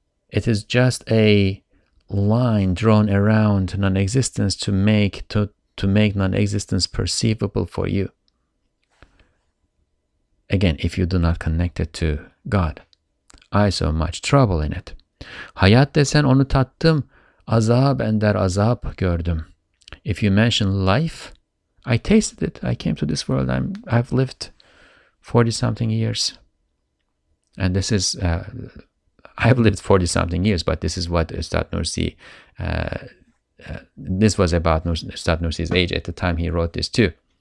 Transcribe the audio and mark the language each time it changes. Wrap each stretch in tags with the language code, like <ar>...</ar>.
<en>It is just a line drawn around non-existence to make non-existence perceivable for you. Again, if you do not connect it to God. I saw much trouble in it.</en> <tr>Hayat desen onu tattım, azab ender azab gördüm.</tr> <en>If you mention life, I tasted it. I came to this world. I've lived 40-something years. And this is, I've lived 40-something years, but this is what Üstad Nursi, this was about Üstad Nursi's age at the time he wrote this too.</en>